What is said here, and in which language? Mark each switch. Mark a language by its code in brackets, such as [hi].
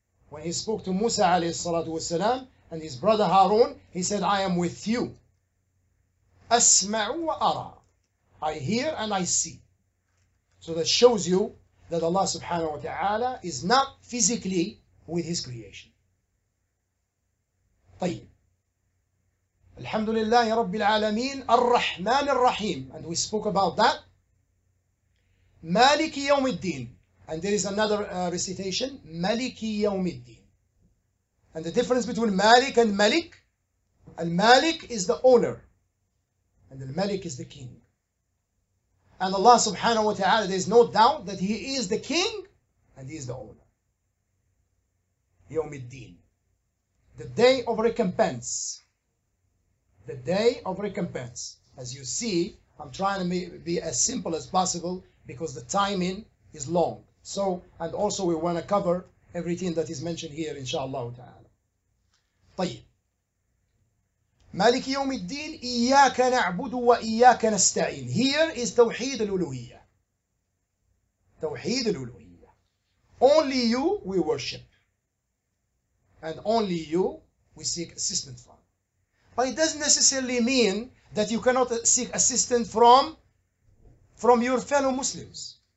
[en] When he spoke to Musa alayhi salatu wasalam and his brother Harun, he said, I am with you. [ar] أَسْمَعُ وَأَرَىٰ. [en] I hear and I see. So that shows you that Allah subhanahu wa ta'ala is not physically with his creation. [ar] طيب. الحمد لله رب العالمين الرحمن الرحيم. [en] And we spoke about that. [ar] مالك يوم الدين. [en] And there is another recitation. [ar] مالك يوم الدين. [en] And the difference between مالك and ملك. المالك is the owner. And the ملك is the king. And Allah subhanahu wa ta'ala, there is no doubt that he is the king and he is the owner. [ar] يوم الدين. [en] The day of recompense. The day of recompense. As you see, I'm trying to be as simple as possible because the timing is long. So, and also we want to cover everything that is mentioned here, inshallah ta'ala. [ar] طيب. مالك يوم الدين إياك نعبد وإياك نستعين. [en] Here is توحيد الألوهية. توحيد الألوهية. Only you we worship. And only you we seek assistance from. But it doesn't necessarily mean that you cannot seek assistance from your fellow Muslims.